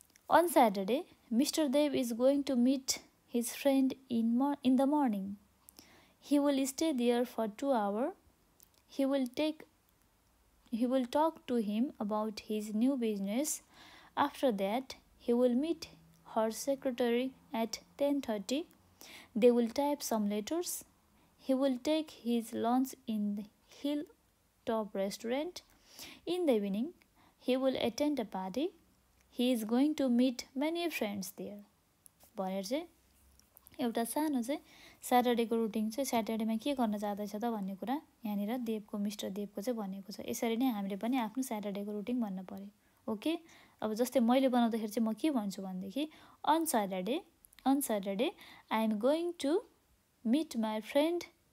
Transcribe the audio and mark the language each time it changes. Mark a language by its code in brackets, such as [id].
[en] On Saturday mister Dev is going to meet his friend in the morning he will stay there for two hour He will talk to him about his new business. After that, he will meet her secretary at 10:30. They will type some letters. He will take his lunch in the hilltop restaurant. In the evening, he will attend a party. He is going to meet many friends there. [ne] भनेर चाहिँ एउटा सानो चाहिँ स्याटरडेको routine चाहिँ स्याटरडेमा के गर्न जाँदैछ त भन्ने कुरा यहाँनिर देवको मिस्टर देवको चाहिँ भनेको छ यसरी नै हामीले पनि आफ्नो स्याटरडेको रुटिन भन्न पऱ्यो ओके अब जस्तै मैले बनाउँदाखेरि चाहिँ म के भन्छु भनेदेखि [en] on Saturday I am going to meet my friend